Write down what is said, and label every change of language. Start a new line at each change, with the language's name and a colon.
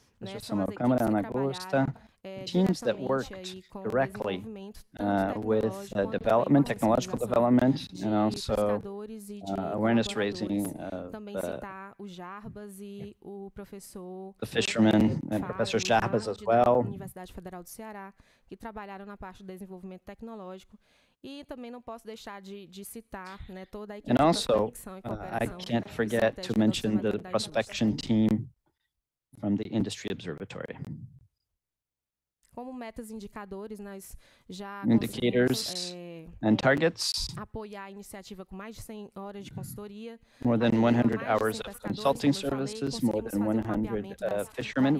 English: né, teams that worked directly with development, technological development, and also awareness raising the fishermen and Professor Jarbas as well.
Portuguese: Universidade Federal do Ceará, que trabalharam na parte do desenvolvimento tecnológico. E também não posso deixar de citar, né, toda a equipe de conexão e cooperação.
English: I can't forget to mention the prospection team from the Industry Observatory.
Portuguese: Como metas e indicadores, nós já
English: indicators and targets,
Portuguese: apoiar a iniciativa com mais de 100 horas de consultoria,
English: more than 100 hours of consulting services, more than 100 fishermen.